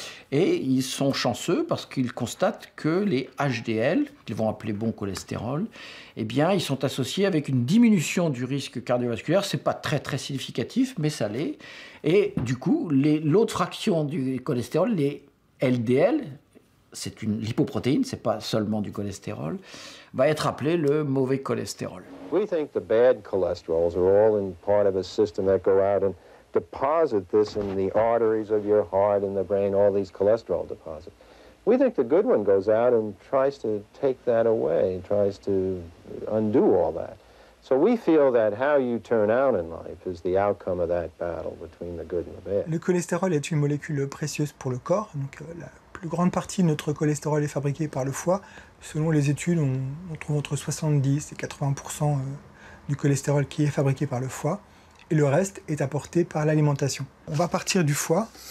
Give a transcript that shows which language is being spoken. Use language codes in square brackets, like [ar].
[fr] Et ils sont chanceux parce qu'ils constatent que les HDL, qu'ils vont appeler bon cholestérol, eh bien, ils sont associés avec une diminution du risque cardiovasculaire. Ce n'est pas très, très significatif, mais ça l'est. Et du coup, l'autre fraction du cholestérol, les LDL, c'est une lipoprotéine, ce n'est pas seulement du cholestérol, va être appelé le mauvais cholestérol. [en] We think the bad cholesterols are all in part of a system that go out and deposit this in the arteries of your heart and the brain, all these cholesterol deposits. We think the good one goes out and tries to take that away, tries to undo all that. So we feel that how you turn out in life is the outcome of that battle between the good and the bad. [fr] Le cholestérol est une molécule précieuse pour le corps. Donc la plus grande partie de notre cholestérol est fabriquée par le foie. Selon les études, on trouve entre 70 et 80% du cholestérol qui est fabriqué par le foie. Et le reste est apporté par l'alimentation. On va partir du foie.